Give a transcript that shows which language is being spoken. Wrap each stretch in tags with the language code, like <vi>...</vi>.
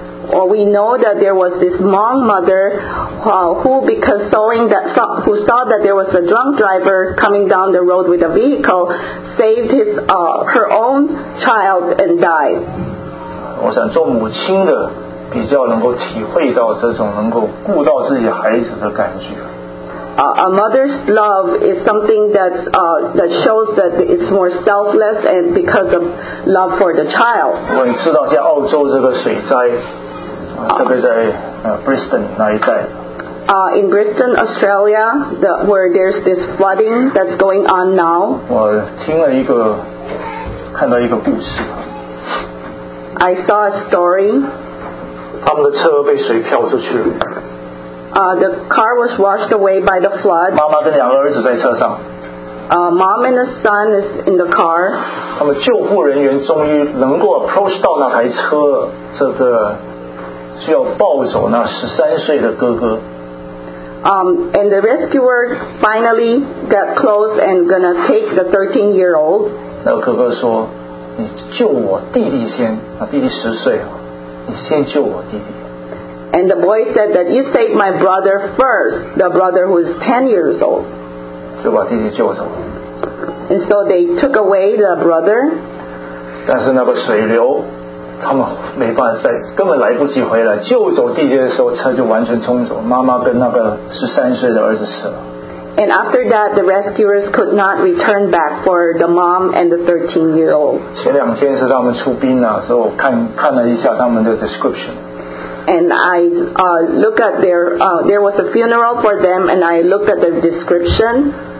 <en>Or we know that there was this Hmong mother who saw that there was a drunk driver coming down the road with a vehicle, saved her own child and died.</en> <zh>我想做母亲的比较能够体会到这种能够顾到自己孩子的感觉。</zh> <en>A mother's love is something that shows that it's more selfless and because of love for the child.</en> <zh>我知道像澳洲这个水灾。特别在Brisbane 那一带。</zh> <en>In Brisbane, Australia, where there's this flooding that's going on now.</en> <zh>我听了一个，看到一个故事。</zh> <en>I saw a story.</en> <zh>他们的车被水漂出去了。</zh> <en>The car was washed away by the flood.</en> <zh>妈妈跟两个儿子在车上。</zh> <en>Mom and the son is in the car.</en> <zh>他们救护人员终于能够 approach 到那台车，这个。需要抱走那13岁的哥哥。</zh> <en>And the rescuer finally got close and gonna take the 13-year-old.</en> <zh>那哥哥说：“你救我弟弟先，弟弟10岁，你先救我弟弟。”</zh> <en>And the boy said that you saved my brother first, the brother who is 10 years old.</en> <zh>就把弟弟救走了。</zh> <en>And so they took away the brother.</en> <zh>但是那个水流，他们没办法再，根本来不及回来，救走弟弟的时候，车就完全冲走，妈妈跟那个13岁的儿子死了。</zh> <en>And after that, the rescuers could not return back for the mom and the 13-year-old.</en> <zh>前两天是他们出殡了，之后看了一下他们的 description.</zh> <en>And I looked at their, there was a funeral for them, and I looked at their description.</en>